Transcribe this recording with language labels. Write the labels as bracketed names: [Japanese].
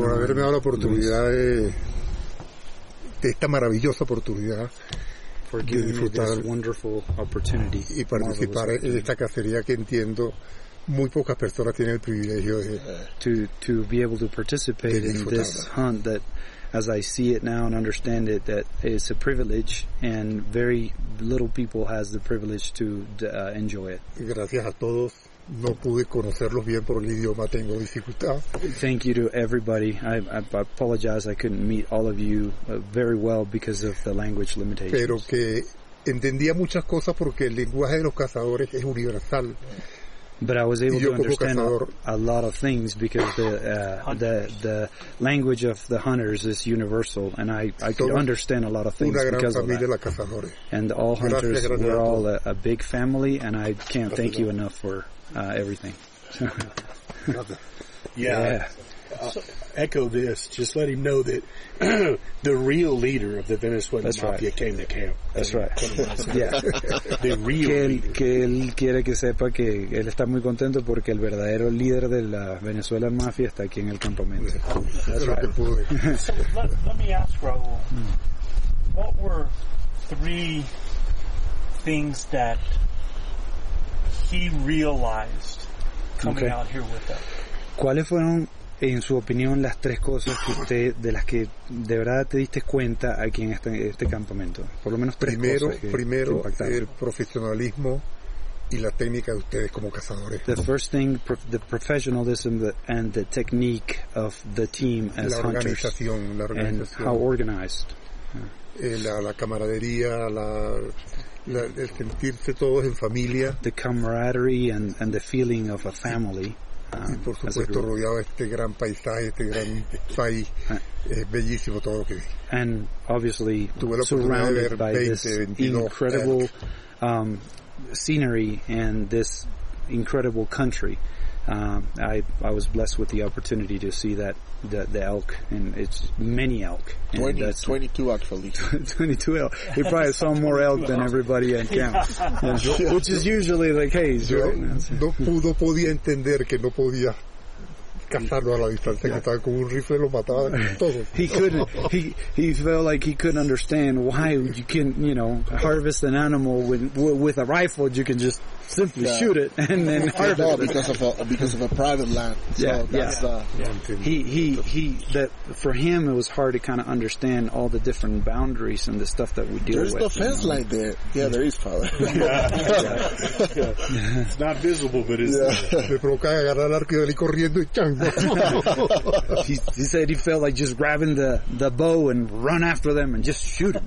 [Spanish] Por haberme dado la oportunidad de esta maravillosa oportunidad [English] for giving [Spanish] de disfrutar [English] this wonderful opportunity [Spanish] y participar en esta cacería que entiendo muy pocas personas tienen el privilegio de [English] to be able to participate in this hunt that, as I see it now and understand it, that is a privilege, and very little people has the privilege to enjoy it. [Spanish] Gracias a todos. No pude conocerlos bien por el idioma, tengo dificultad. [English] Thank you to everybody. I apologize, I couldn't meet all of you very well because of the language limitations. [Spanish] Pero que entendía muchas cosas porque el lenguaje de los cazadores es universal. [English] But I was able to understand a lot of things because the language of the hunters is universal, and I could understand a lot of things because of that. And all hunters, we're all a big family, and I can't thank you enough for everything. Echo this. Just let him know that the real leader of the Venezuelan mafia came to camp. That's right. Yeah. The real [Spanish] que el, [English] leader. [Spanish] Que él quiere que sepa que él está muy contento porque el verdadero líder de la [English] Venezuelan mafia [Spanish] está aquí en el campamento. [English] That's right. [Spanish] Lo que pude. [English] So let me ask Raul. What were three things that he realized coming out here with us? [Spanish] ¿Cuáles fueron, en su opinión, las tres cosas que usted, de las que de verdad te diste cuenta aquí en este campamento? Por lo menos tres primero, el profesionalismo y la técnica de ustedes como cazadores. [English] The first thing, the professionalism and the technique of the team as hunters. [Spanish] La organización. [English] And how organized. [Spanish] La camaradería, el sentirse todos en familia. [English] The camaraderie and the feeling of a family. [Spanish] Y por supuesto rodeado de este gran paisaje, este gran país, es bellísimo todo lo que vi. [English] And obviously surrounded by this incredible scenery and this incredible country. I was blessed with the opportunity to see that the elk, and it's many elk. 22 actually. 22 elk. He probably saw more elk than everybody at camp, which is usually the case. [Spanish] No podía entender que no podía cazarlo a la distancia, que estaba con un rifle, lo mataba todo. [English] He couldn't. He felt like he couldn't understand why you can, you know, harvest an animal with a rifle. You can just simply shoot it and then harvest it. Because of a private land. For him, it was hard to kind of understand all the different boundaries and the stuff that we deal with. There's no fence line there. Yeah, there is, Father. It's not visible, but it's [Spanish] me provocaba agarrar el arco y salir corriendo y chango. [English] He said he felt like just grabbing the bow and run after them and just shoot them.